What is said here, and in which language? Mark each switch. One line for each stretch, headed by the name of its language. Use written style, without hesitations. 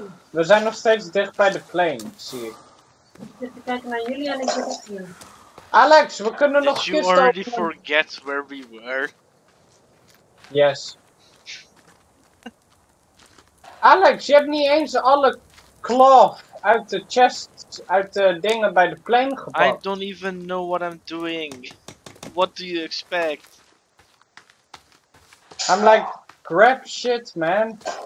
Dutch: We zijn nog steeds dicht bij de plane, zie ik. Ik zit te kijken naar jullie en ik zit hier. Alex, we kunnen
English: Did
Dutch: nog kist openen.
English: Did you already forget where we were? Yes.
Dutch: Alex, je hebt niet eens alle cloth uit de chest, uit de dingen bij de plane gepakt.
English: I don't even know what I'm doing. What do you expect? I'm like, grab shit, man.